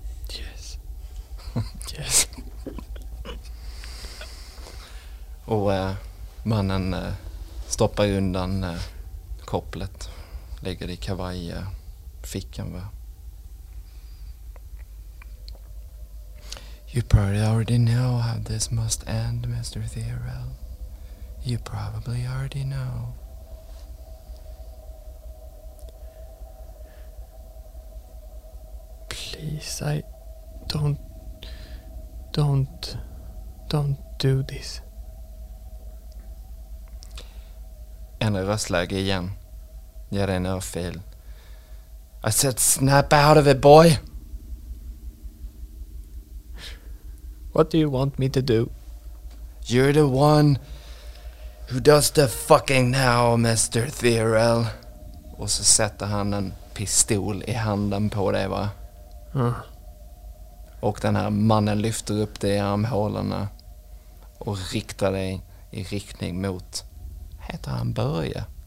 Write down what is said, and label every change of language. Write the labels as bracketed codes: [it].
[en] Yes. Yes. [sv] Och mannen stoppar undan kopplet, lägger det i kavajfickan, va? [en] You probably already know how this must end, Mr. Thirrell. You probably already know. Please, I don't do this. [sv] En röstläge igen. Ger dig en örfil. [en] I said snap out of it, boy. What do you want me to do? You're the one who does the fucking now, Mr. Thirrell. [sv] Och så sätter han en pistol i handen på dig, va? Och den här mannen lyfter upp dig i armhålorna och riktar dig i riktning mot, heter han Börje?